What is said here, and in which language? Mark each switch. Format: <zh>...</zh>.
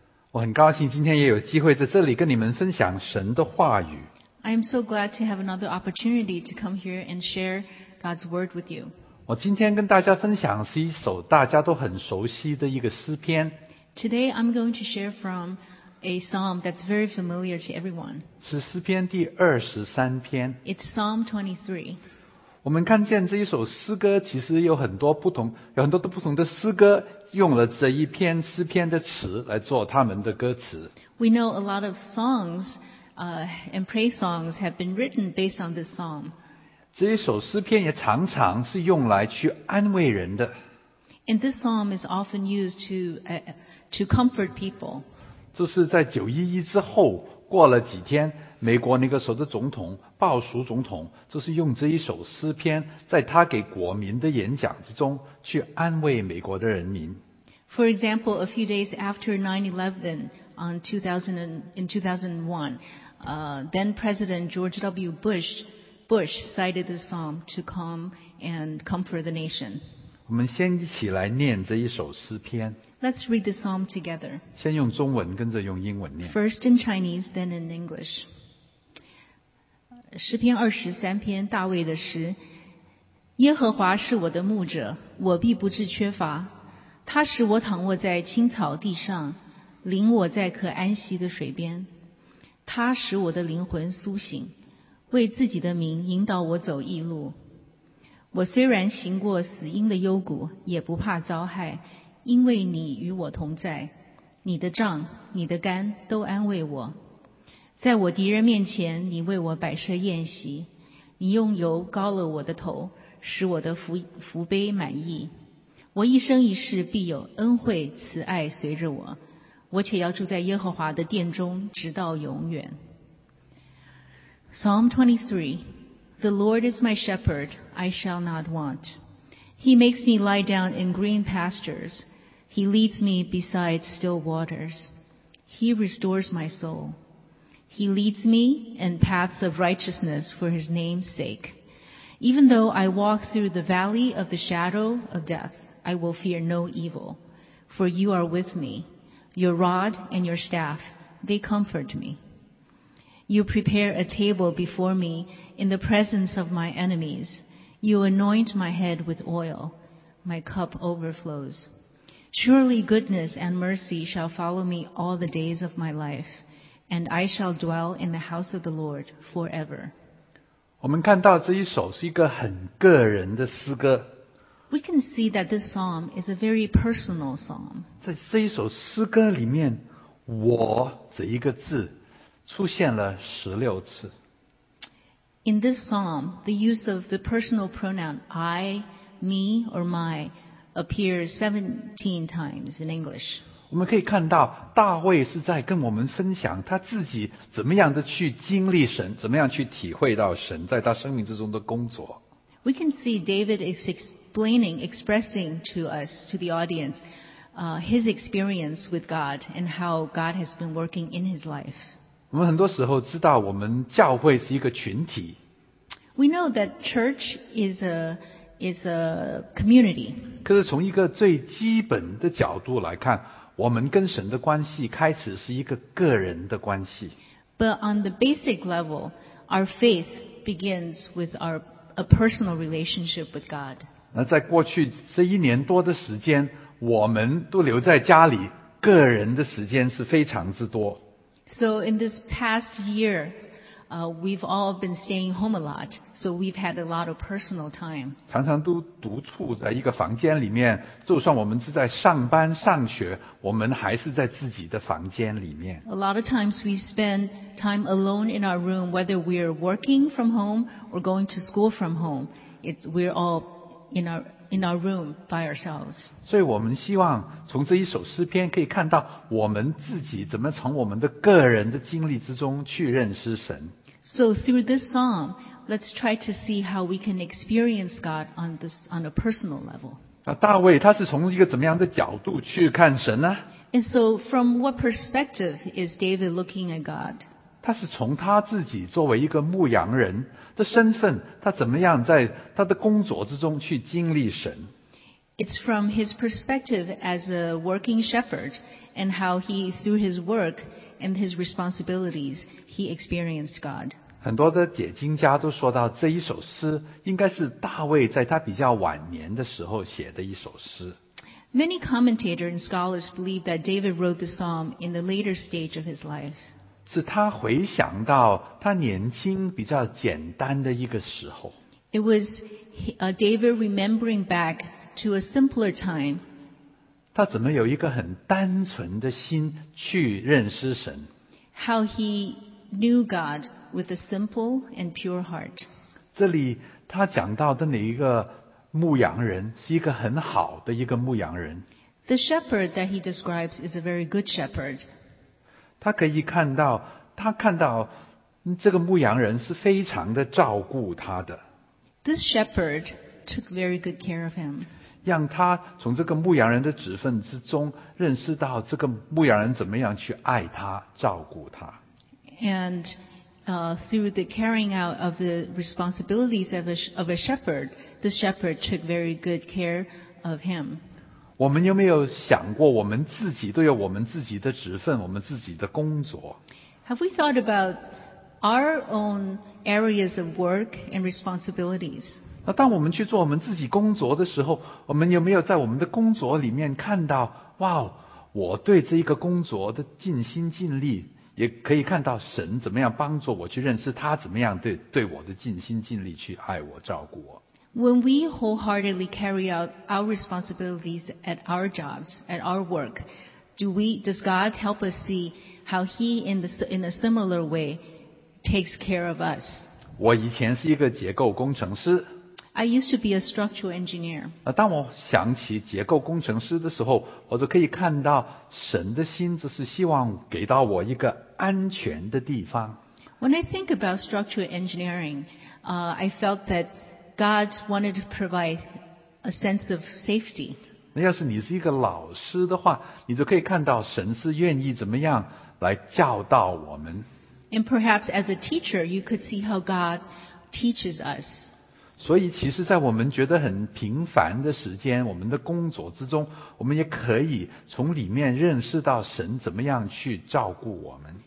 <zh>我很高兴今天也有机会在这里跟你们分享神的话语。</zh> <en>I am so glad to have another opportunity to come here and share God's word with you.</en> <zh>我今天跟大家分享是一首大家都很熟悉的一个诗篇。</zh> <en>Today I'm going to share from a psalm that's very familiar to everyone.</en> <zh>是诗篇第二十三篇。</zh> <en>It's Psalm 23.</en> <zh>我们看见这一首诗歌其实有很多不同，有很多不同的诗歌用了这一篇诗篇的词来做他们的歌词。</zh> <en>We know a lot of songs, and praise songs have been written based on this psalm.</en> <zh>这一首诗篇也常常是用来去安慰人的。</zh> <en>And this psalm is often used to comfort people.</en> <zh>这是在911之后过了几天。美国那个时候的总统鲍叔总统就是用这一首诗篇在他给国民的演讲之中去安慰美国的人民。</zh> <en>For example, a few days after 9/11 in 2001, then President George W. Bush cited this psalm to calm and comfort the nation.</en> <zh>我们先一起来念这一首诗篇。</zh> <en>Let's read the psalm together.</en> <zh>先用中文跟着用英文念。</zh> <en>First in Chinese, then in English.</en> <zh>诗篇二十三篇，大卫的诗。耶和华是我的牧者，我必不致缺乏。他使我躺卧在青草地上，领我在可安息的水边。他使我的灵魂苏醒，为自己的名引导我走义路。我虽然行过死荫的幽谷，也不怕遭害，因为你与我同在。你的杖、你的竿都安慰我。在我敌人面前，你为我摆设宴席，你用油膏了我的头，使我的福杯满溢。我一生一世必有恩惠慈爱随着我，我且要住在耶和华的殿中，直到永远。</zh> <en>Psalm 23. The Lord is my shepherd, I shall not want. He makes me lie down in green pastures. He leads me beside still waters. He restores my soul. He leads me in paths of righteousness for his name's sake. Even though I walk through the valley of the shadow of death, I will fear no evil. For you are with me. Your rod and your staff, they comfort me. You prepare a table before me in the presence of my enemies. You anoint my head with oil. My cup overflows. Surely goodness and mercy shall follow me all the days of my life. And I shall dwell in the house of the Lord forever.</en> <zh>我们看到这一首是一个很个人的诗歌。</zh> <en>We can see that this psalm is a very personal psalm.</en> <zh>在这一首诗歌里面，我这一个字出现了十六次。</zh> <en>In this psalm, the use of the personal pronoun I, me, or my appears 17 times in English.</en> <zh>我们可以看到大卫是在跟我们分享他自己怎么样的去经历神，怎么样去体会到神在他生命之中的工作。</zh> <en>We can see David is expressing to us, to the audience, his experience with God and how God has been working in his life.</en> <zh>我们很多时候知道我们教会是一个群体。</zh> <en>We know that church is a community.</en> <zh>可是从一个最基本的角度来看，我们跟神的关系开始是一个个人的关系。</zh> <en>But on the basic level, our faith begins with a personal relationship with God.</en> <zh>那在过去这一年多的时间，我们都留在家里，个人的时间是非常之多。</zh> <en>So in this past year, we've all been staying home a lot, so we've had a lot of personal time.</en> <zh>常常都独处在一个房间里面，就算我们是在上班上学，我们还是在自己的房间里面。</zh> <en>A lot of times we spend time alone in our room, whether we're working from home or going to school from home. We're all in our room by ourselves.</en> <zh>所以我们希望从这一首诗篇可以看到我们自己怎么从我们的个人的经历之中去认识神。</zh> <en>So through this psalm, let's try to see how we can experience God on a personal level.</en> <zh>大卫他是从一个怎么样的角度去看神呢？</zh> <en>And so from what perspective is David looking at God?</en> <zh>他是从他自己作为一个牧羊人的身份，他怎么样在他的工作之中去经历神？</zh> <en>It's from his perspective as a working shepherd and how he, through his work and his responsibilities, he experienced God.</en> <zh>很多的解经家都说到这一首诗应该是大卫在他比较晚年的时候写的一首诗。</zh> <en>Many commentators and scholars believe that David wrote the psalm in the later stage of his life.</en> <zh>是他回想到他年轻比较简单的一个时候。</zh> <en>It was David remembering back to a simpler time.</en> <zh>他怎么有一个很单纯的心去认识神。</zh> <en>How he knew God with a simple and pure heart.</en> <zh>这里他讲到的那一个牧羊人是一个很好的一个牧羊人。</zh> <en>The shepherd that he describes is a very good shepherd.</en> <zh>他可以看到，他看到这个牧羊人是非常的照顾他的。</zh> <en>This shepherd took very good care of him.</en> <zh>让他从这个牧羊人的职分之中认识到这个牧羊人怎么样去爱他，照顾他。</zh> <en>And through the carrying out of the responsibilities of a shepherd, the shepherd took very good care of him.</en> <zh>我们有没有想过我们自己都有我们自己的职分，我们自己的工作？</zh> <en>Have we thought about our own areas of work and responsibilities?</en> <zh>那当我们去做我们自己工作的时候，我们有没有在我们的工作里面看到，哇，我对这一个工作的尽心尽力？也可以看到神怎么样帮助我去认识他，怎么样对我的尽心尽力去爱我照顾我。</zh> <en>When we wholeheartedly carry out our responsibilities at our jobs, at our work, does God help us see how He in a similar way takes care of us?</en> <zh>我以前是一个结构工程师。</zh> <en>I used to be a structural engineer.</en> <zh>当我想起结构工程师的时候，我就可以看到神的心就是希望给到我一个安全的地方。</zh> <en>When I think about structural engineering, I felt that God wanted to provide a sense of safety.</en> <zh>那要是你是一个老师的话，你就可以看到神是愿意怎么样来教导我们。</zh> <en>And perhaps as a teacher, you could see how God teaches us.</en> <zh>所以其实在我们觉得很平凡的时间，我们的工作之中，我们也可以从里面认识到神怎么样去照顾我们。</zh>